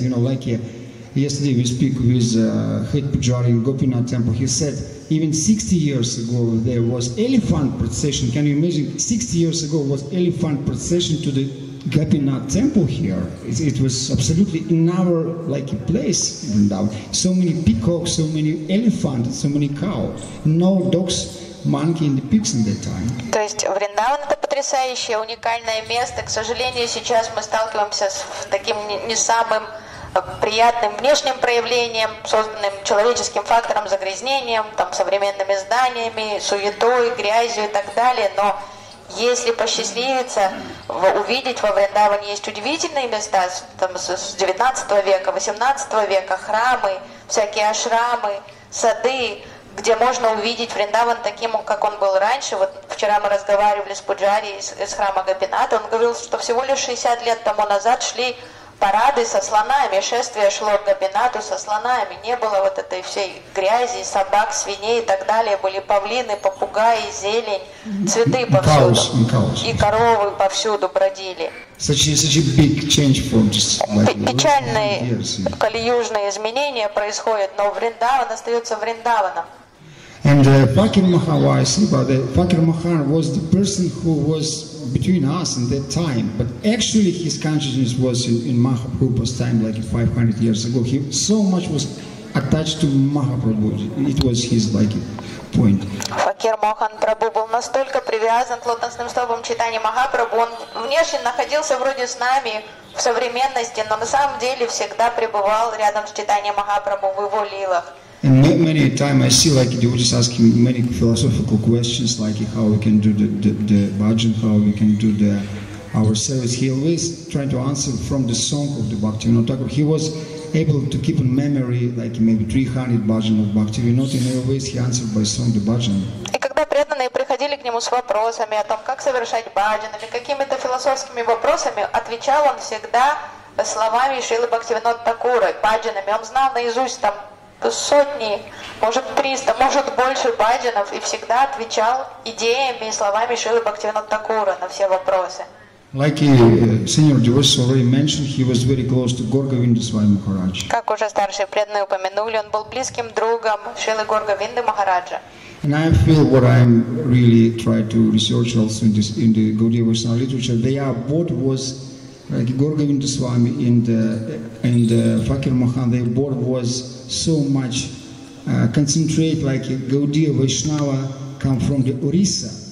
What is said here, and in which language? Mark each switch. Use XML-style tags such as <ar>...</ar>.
<en>You know, like yesterday we speak with Het Pujari in Gopinath Temple. He said, even 60 years ago, there was elephant procession. Can you imagine? 60 years ago was elephant procession to the Gopinath Temple here. It was absolutely another like a place in Vrindavan. So many peacocks, so many elephants, so many cows. No dogs, monkey, and pigs in that time.</en> <ru>То есть Вриндаван это потрясающее, уникальное место. К сожалению, сейчас мы сталкиваемся с таким не самым приятным внешним проявлением, созданным человеческим фактором, загрязнением, там современными зданиями, суетой, грязью и так далее. Но если посчастливиться увидеть во Вриндаване, есть удивительные места там, с 19 века, 18 века, храмы, всякие ашрамы, сады, где можно увидеть Вриндаван таким, как он был раньше. Вот вчера мы разговаривали с Пуджари из храма Гопинатха. Он говорил, что всего лишь 60 лет тому назад шли парады со слонами, шествие шло к Гопинатху со слонами. Не было вот этой всей грязи, собак, свиней и так далее. Были павлины, попугаи, зелень, цветы повсюду. И коровы повсюду бродили. Печальные калиюжные изменения происходят, но Вриндаван остается Вриндаваном.</ru> <en>And Факирмохан, what I see about that, Факирмохан was the person who was between us in that time, but actually his consciousness was in Mahaprabhu's time, like 500 years ago. He so much was attached to Mahaprabhu, it was his like point.</en> <ru>Факирмохан Прабху был настолько привязан к лотосным стопам читания Махапрабху, он внешне находился вроде с нами в современности, но на самом деле всегда пребывал рядом с Чайтанья Махапрабху в его лилах.</ru> <en>And many a time I see like devotees asking many philosophical questions, like how we can do the bhajan, how we can do the our service. He always trying to answer from the song of the Bhaktivinoda Thakur. He was able to keep in memory like maybe 300 bhajan of Bhaktivinoda, and always he answered by song the bhajan.</en> <ru>Приходили к нему с вопросами о том, как совершать баджан, или какими-то философскими вопросами, отвечал он всегда словами Шрилы Бхактивинода Такура, баджанами. Он знал наизусть там сотни, может 300, может больше баджанов, и всегда отвечал идеями и словами Шрилы Бхактивинода Такура на все вопросы.</ru> <en>Like senior devotees already mentioned, he was very close to Gorgavinda Swami Maharaj.</en> <ru>Как уже старшие преданные упомянули, он был близким другом Шрилы Горгавинды Махараджа.</ru> <en>And I feel what I'm really trying to research also in this in the Gaudiya Vaishnava literature. They are both was like Gorgavinda Swami in the Fakir Mohan. They both was so much concentrate like Gaudiya Vaishnava come from the Orissa.</en>